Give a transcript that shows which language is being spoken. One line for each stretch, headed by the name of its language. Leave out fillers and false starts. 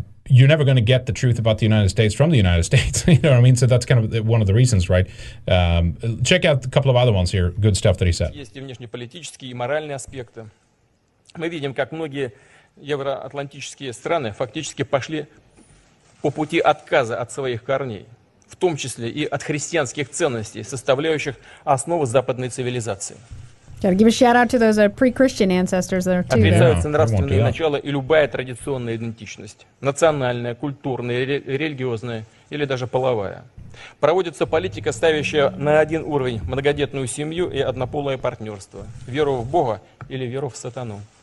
English: You're never going to get the truth about the United States from the United States, you know what I mean? So that's kind of one of the reasons, right? Check out a couple of other ones here, good stuff that he said.
Russian: Есть и внешнеполитические, и моральные аспекты. Мы видим, как многие евроатлантические страны фактически пошли по пути отказа от своих корней. В том числе и от христианских ценностей, составляющих основу западной цивилизации.
English: Gotta give a shout out to those pre-Christian ancestors that are too.
Russian: Отрицаются нравственные начала и любая традиционная идентичность, национальная, культурная, религиозная или даже половая. Проводится политика, ставящая на один уровень многодетную семью и однополое партнерство, веру в Бога или веру в сатану.